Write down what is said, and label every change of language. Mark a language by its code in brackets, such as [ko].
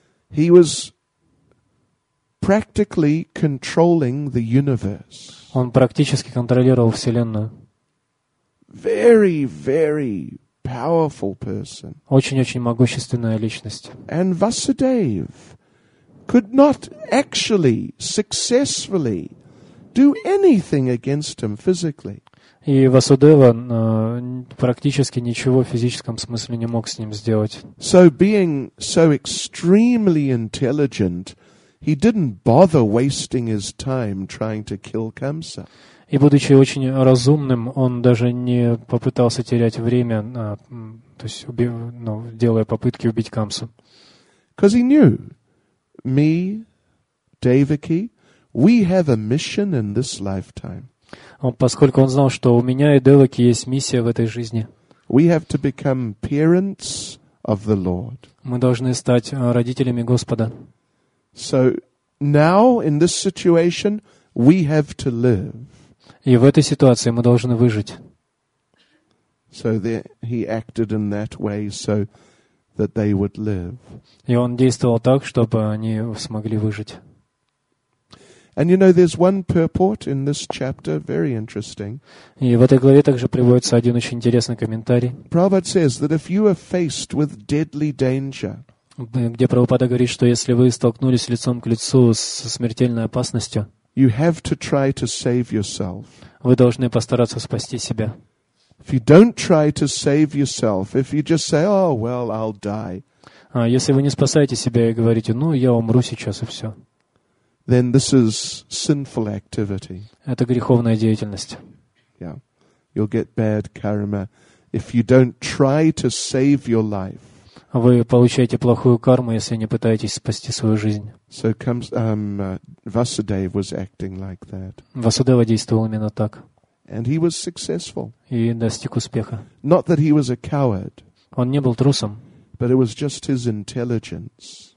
[en] He was practically controlling the universe. [ru] Он практически контролировал вселенную. [en] Very, very powerful person. [ru] Очень-очень могущественная личность. [en] And Vasudev could not actually successfully do anything against him physically. [ru] И Васудева практически ничего в физическом смысле не мог с ним сделать. [en] So being so extremely intelligent, he didn't bother wasting his time trying to kill Kamsa. [ru] И будучи очень разумным, он даже не попытался терять время, то есть делая попытки убить Камсу. [en] Because he knew, me, Devaki, we have a mission in this lifetime. [ru] Поскольку он знал, что у меня и Деваки есть миссия в этой жизни. [en] We have to become parents of the Lord. [ru] Мы должны стать родителями Господа. [en] So now in this situation we have to live. [ru] И в этой ситуации мы должны выжить. [en] So he acted in that way so that they would live. [ru] И он действовал так, чтобы они смогли выжить. [en] And you know, there's one purport in this chapter, very interesting. [ru] И в этой главе также приводится один очень интересный комментарий. [en] Prabhupada says that if you are faced with deadly danger, [ru] где Прабхупада говорит, что если вы столкнулись лицом к лицу со смертельной опасностью, [en] you have to try to save yourself. [ru] Вы должны постараться спасти себя. [en] If you don't try to save yourself, if you just say, "Oh well, I'll die," [ru] если вы не спасаете себя и говорите, ну я умру сейчас и все. [en] Then this is sinful activity. [ru] Это греховная деятельность. [en] Yeah. You'll get bad karma if you don't try to save your life. [ru] Вы получаете плохую карму, если не пытаетесь спасти свою жизнь. [en] So comes Vasudeva was acting like that. [ru] Vasudeva действовал именно так. [en] And he was successful. [ru] И достиг успеха. [en] Not that he was a coward. [ru] Он не был трусом. [en] But it was just his intelligence.